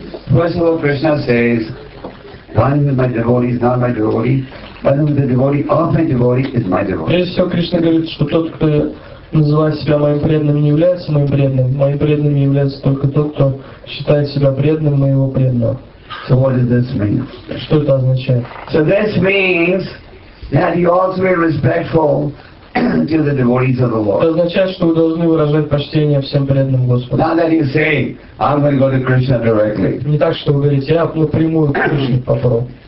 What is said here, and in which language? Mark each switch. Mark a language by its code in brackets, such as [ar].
[en] First of all, Krishna says, one is my devotee, not my devotee. But then the devotee of my devotee is my devotee. [ru] Прежде всего, Кришна говорит, что тот, кто называет себя моим преданным, не является моим преданным. Моим преданным является только тот, кто считает себя преданным моего преданного. [en] So what does this mean? [ru] Что это означает? [en] So this means that you also be respectful to the devotees of the Lord. [ru] Это означает, что вы должны выражать почтение всем преданным Господу. [en] Not that you say, I'm going to go to Krishna directly. [ru] Не так, что вы говорите, я напрямую к Кришне попру.